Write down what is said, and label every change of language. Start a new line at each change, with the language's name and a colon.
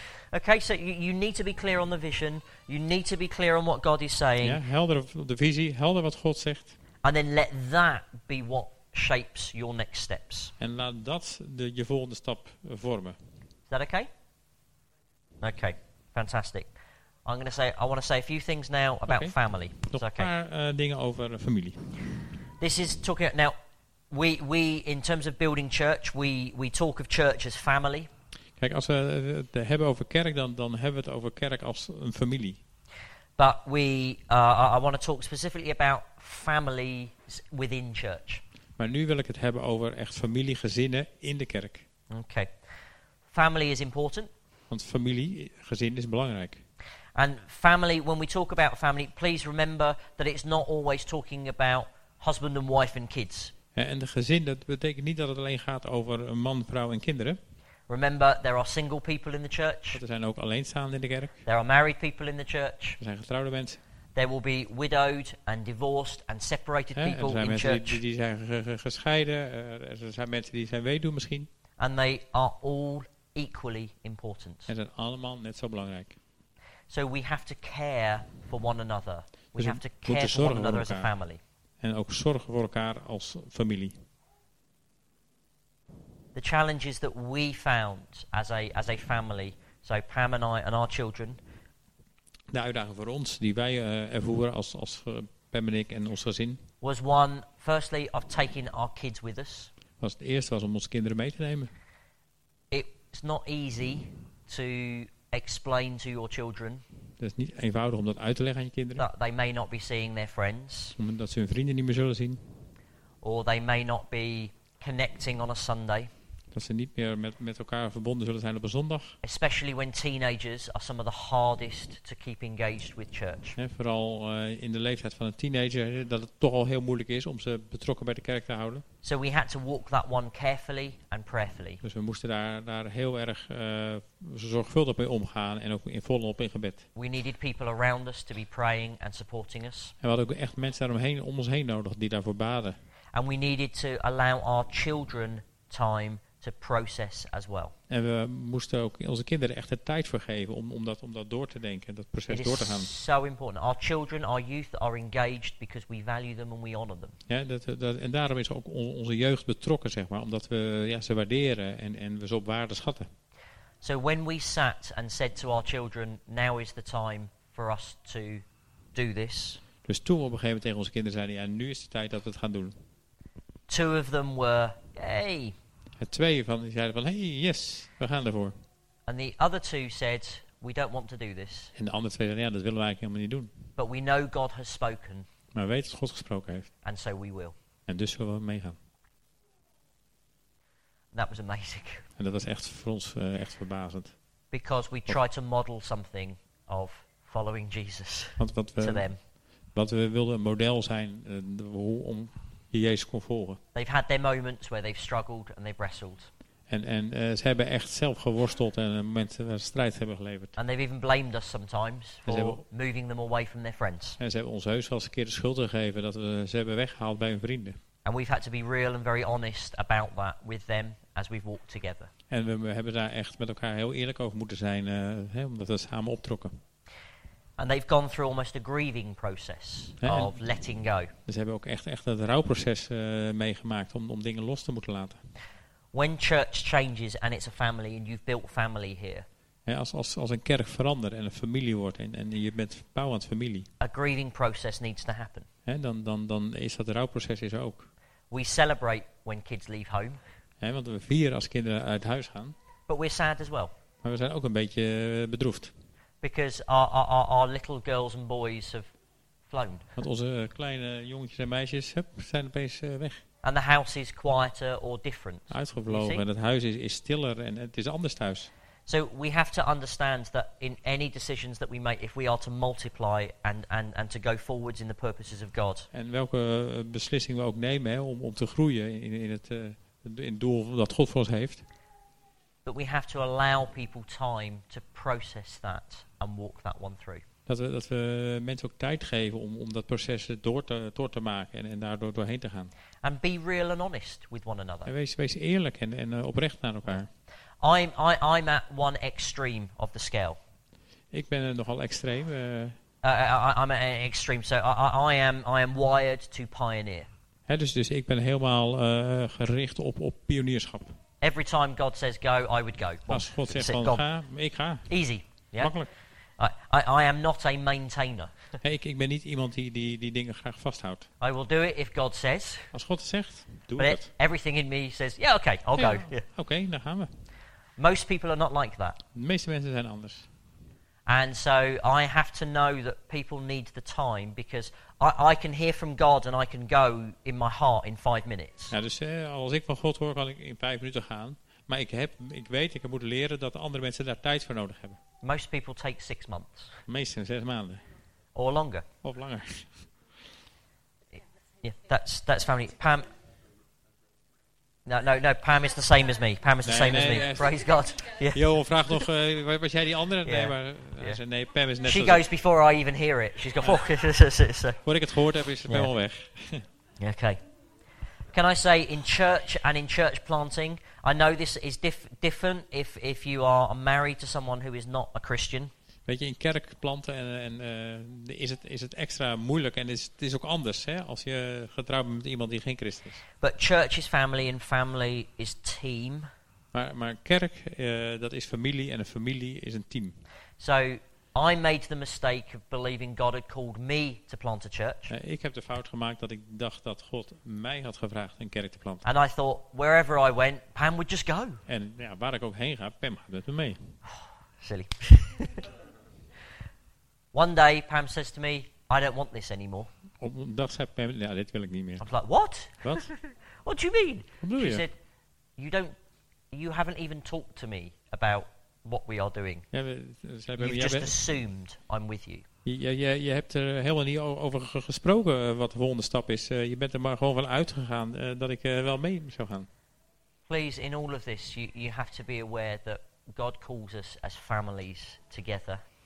English: Okay, so you need to be clear on the vision. You need to be clear on what God is saying.
Dutch: Ja, helder op de visie, helder wat God zegt.
English: And then let that be what shapes your next steps.
Dutch: En laat dat je volgende stap vormen.
English: Is that okay? Okay, fantastic. I want to say a few things now about family.
Dutch: Nog een paar dingen over familie.
English: This is talking now. We in terms of building church, we talk of church as family.
Dutch: Kijk, als we het hebben over kerk, dan hebben we het over kerk als een familie.
English: But I want to talk specifically about families within church.
Dutch: Maar nu wil ik het hebben over echt familie, gezinnen in de kerk.
English: Okay, family is important.
Dutch: Want familie, gezin is belangrijk.
English: And family, when we talk about family, please remember that it's not always talking about husband and wife and kids.
Dutch: Ja, en de gezin, dat betekent niet dat het alleen gaat over man, vrouw en kinderen.
English: Remember, there are single people in the church.
Dutch: Er zijn ook alleenstaanden in de kerk.
English: There are married people in the church.
Dutch: Er zijn getrouwde mensen.
English: There will be widowed and divorced and separated people in church.
Dutch: Er zijn mensen die zijn gescheiden. Er zijn mensen die zijn weduwe misschien.
English: And they are all equally important.
Dutch: En zijn allemaal net zo belangrijk.
English: So we have to care for one another. We have to care for one another as a family.
Dutch: En ook zorgen voor elkaar als familie.
English: The challenges that we found as a family, so Pam and I and our children.
Dutch: De uitdaging voor ons die wij ervoeren als Pam en ik en ons gezin.
English: Was one, firstly, of taking our kids with us.
Dutch: Was het eerste was om onze kinderen mee te nemen.
English: It's not easy to explain to your children.
Dutch: Het is niet eenvoudig om dat uit te leggen aan je kinderen.
English: That they may not be seeing their friends.
Dutch: Omdat ze hun vrienden niet meer zullen zien.
English: Or they may not be connecting on a Sunday.
Dutch: Dat ze niet meer met elkaar verbonden zullen zijn op een zondag.
English: Especially when teenagers are some of the hardest to keep engaged with church.
Dutch: En vooral in de leeftijd van een teenager, dat het toch al heel moeilijk is om ze betrokken bij de kerk te houden.
English: So we had to walk that one carefully and prayerfully.
Dutch: Dus we moesten daar heel erg zorgvuldig mee omgaan en ook in volop in gebed.
English: We needed people around us to be praying and supporting us.
Dutch: En we hadden ook echt mensen daaromheen om ons heen nodig die daarvoor baden.
English: And we needed to allow our children time to process as well.
Dutch: En we moesten ook onze kinderen echt de tijd voor geven om dat door te denken, dat proces door te gaan.
English: It is so important. Our children, our youth are engaged because we value them and we honor them.
Dutch: Ja, dat en daarom is ook onze jeugd betrokken, zeg maar, omdat we ze waarderen en we ze op waarde schatten.
English: So when we sat and said to our children, now is the time for us to do this.
Dutch: Dus toen we op een gegeven moment tegen onze kinderen zeiden, ja, nu is de tijd dat we het gaan doen.
English: Two of them were, hey.
Dutch: Het twee van die zeiden van, hey, yes, we gaan ervoor.
English: And the other two said, We don't want to do this.
Dutch: En de ander zegt, ja, dat willen we eigenlijk helemaal niet doen.
English: But we know God has spoken.
Dutch: Maar we weten dat God gesproken heeft.
English: And so we will.
Dutch: En dus zullen we meegaan.
English: That was amazing.
Dutch: En dat was echt voor ons echt verbazend.
English: Because we try to model something of following Jesus to them.
Dutch: Want we wilden een model zijn om Jezus kon volgen.
English: They've had their moments where they've struggled and they've wrestled.
Dutch: En ze hebben echt zelf geworsteld en een moment een strijd hebben geleverd.
English: And they've even blamed us sometimes for moving them away from their friends.
Dutch: En ze hebben ons heus wel eens een keer de schuld gegeven dat we ze hebben weggehaald bij hun vrienden.
English: And we've had to be real and very honest about that with them as we've walked together.
Dutch: En we hebben daar echt met elkaar heel eerlijk over moeten zijn, omdat we samen optrokken.
English: And they've gone through almost a grieving process of letting go.
Dutch: Ze hebben ook echt het rouwproces meegemaakt om dingen los te moeten laten.
English: When church changes and it's a family and you've built family here.
Dutch: Ja, als een kerk verandert en een familie wordt en je bent bouwend familie.
English: A grieving process needs to happen.
Dutch: Ja, dan is dat rouwproces is ook.
English: We celebrate when kids leave home.
Dutch: Ja, want we vieren als kinderen uit huis gaan.
English: But we're sad as well.
Dutch: Maar we zijn ook een beetje bedroefd.
English: Because our little girls and boys have flown.
Dutch: Want onze kleine jongetjes en meisjes zijn opeens weg.
English: And the house is quieter or different.
Dutch: Uitgevlogen en het huis is stiller en het is anders thuis.
English: So we have to understand that in any decisions that we make, if we are to multiply and to go forwards in the purposes of God.
Dutch: En welke beslissing we ook nemen om te groeien in het doel dat God voor ons heeft.
English: But we have to allow people time to process that and walk that one through.
Dutch: Dat we mensen ook tijd geven om dat proces door te maken en daardoor doorheen te gaan.
English: And be real and honest with one another.
Dutch: En wees eerlijk en oprecht naar elkaar.
English: I'm at one extreme of the scale.
Dutch: Ik ben nogal extreem.
English: I'm at an extreme, so I am wired to pioneer.
Dutch: Hè, dus ik ben helemaal gericht op pionierschap.
English: Every time God says go, I would go.
Dutch: Well, als God zegt van ga, ik ga.
English: Easy. Yeah?
Dutch: Makkelijk.
English: I am not a maintainer.
Dutch: Hey, ik ben niet iemand die dingen graag vasthoudt.
English: I will do it if God says.
Dutch: Als God het zegt, doe het.
English: Everything in me says, yeah, okay, I'll go. Yeah.
Dutch: Okay, dan gaan we.
English: Most people are not like that.
Dutch: De meeste mensen zijn anders.
English: And so I have to know that people need the time because I can hear from God and I can go in my heart in 5 minutes.
Dutch: Ja, dus als ik van God hoor, kan ik in 5 minuten gaan. Maar ik moet leren dat andere mensen daar tijd voor nodig hebben.
English: Most people take 6 months.
Dutch: Meestal 6 maanden.
English: Or longer.
Dutch: Of langer.
English: Yeah, that's family. Pam. No, Pam is the same as me. Praise God. Yeah.
Dutch: Johan vraagt nog, was jij die andere? Yeah. Nee, maar nee, Pam is net.
English: She goes before I even hear it. She's got four.
Dutch: Voor ik het gehoord heb, is Pam al weg.
English: Okay. Can I say in church and in church planting? I know this is different if you are married to someone who is not a Christian.
Dutch: Weet je, in kerk planten is het extra moeilijk en is ook anders, hè, als je getrouwd bent met iemand die geen Christen is.
English: But church is family and family is team.
Dutch: Maar kerk dat is familie en een familie is een team.
English: So I made the mistake of believing God had called me to plant a church.
Dutch: Ik heb de fout gemaakt dat ik dacht dat God mij had gevraagd een kerk te planten.
English: And I thought wherever I went, Pam would just go.
Dutch: En ja, waar ik ook heen ga, Pam gaat met me mee.
English: Silly. One day Pam says to me, I don't want this anymore.
Dutch: Op een dag zei Pam, ja, dit wil ik niet meer.
English: I was like, what? What? What do you mean?
Dutch: Wat bedoel
English: She
Dutch: je?
English: Said, you haven't even talked to me about what we are doing.
Dutch: Ja,
English: You've just assumed I'm with you.
Dutch: Je hebt er helemaal niet over gesproken wat de volgende stap is. Je bent er maar gewoon van uitgegaan dat ik wel mee zou gaan.
English: Please, in all of this, you have to be aware that God calls us as families together.